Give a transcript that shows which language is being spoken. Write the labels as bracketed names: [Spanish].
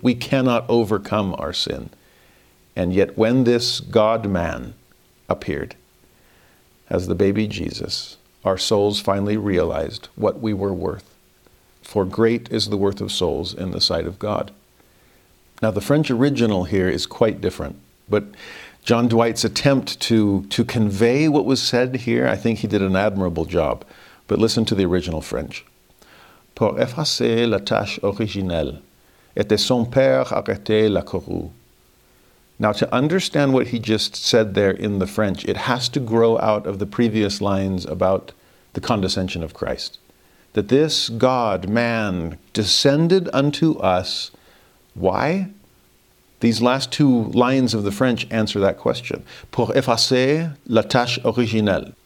[English] We cannot overcome our sin. And yet when this God-man appeared as the baby Jesus, our souls finally realized what we were worth. For great is the worth of souls in the sight of God. Now, the French original here is quite different, but John Dwight's attempt to convey what was said here, I think he did an admirable job. But listen to the original French. [French] pour effacer la tache originelle et de son père arrêter la courroux. [English] Now, to understand what he just said there in the French, it has to grow out of the previous lines about the condescension of Christ. That this God, man, descended unto us. Why? These last two lines of the French answer that question. [French] Pour effacer la tache originelle.